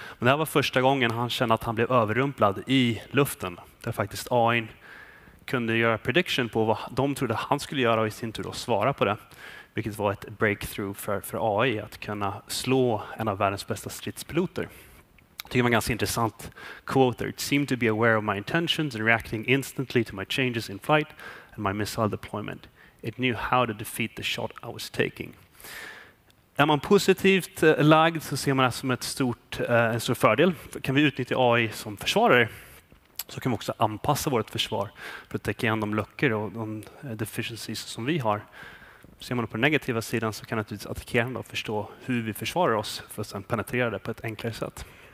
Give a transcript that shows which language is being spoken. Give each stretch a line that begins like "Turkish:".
Swedish: Men det här var första gången han kände att han blev överrumplad i luften. Där faktiskt AI:n kunde göra prediction på vad de trodde han skulle göra och i sin tur då svara på det. Vilket var ett breakthrough för AI att kunna slå en av världens bästa stridspiloter. Tycker man ganska intressant quote.
English: It seemed to be aware of my intentions and reacting instantly to my changes in flight and my missile deployment. It knew how to defeat the shot I was taking.
Swedish: Är man positivt lagd så ser man det som ett stort, en stor fördel. Kan vi utnyttja AI som försvarare så kan vi också anpassa vårt försvar för att täcka igen de luckor och de deficiencies som vi har. Ser man på den negativa sidan så kan naturligtvis attackerande förstå hur vi försvarar oss för att sedan penetrera det på ett enklare sätt.